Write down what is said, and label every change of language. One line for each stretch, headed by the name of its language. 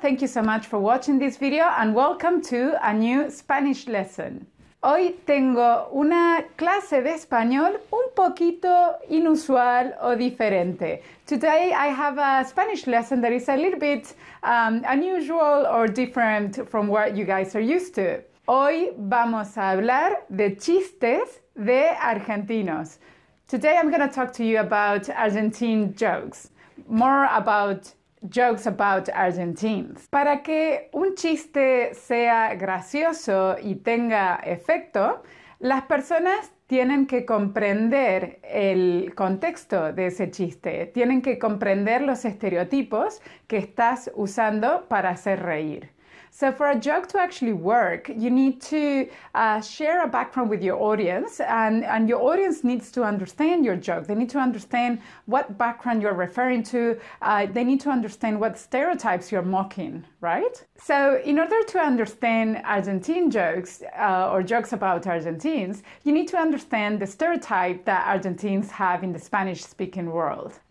English: Thank you so much for watching this video and welcome to a new Spanish lesson.
Spanish: Hoy tengo una clase de español un poquito inusual o diferente.
English: Today I have a Spanish lesson that is a little bit unusual or different from what you guys are used to.
Spanish: Hoy vamos a hablar de chistes de argentinos.
English: Today I'm going to talk to you about Argentine jokes. More about jokes about Argentines.
Spanish: Para que un chiste sea gracioso y tenga efecto, las personas tienen que comprender el contexto de ese chiste. Tienen que comprender los estereotipos que estás usando para hacer reír.
English: So for a joke to actually work, you need to share a background with your audience and your audience needs to understand your joke. They need to understand what background you're referring to. They need to understand what stereotypes you're mocking, right? So in order to understand Argentine jokes or jokes about Argentines, you need to understand the stereotype that Argentines have in the Spanish-speaking world.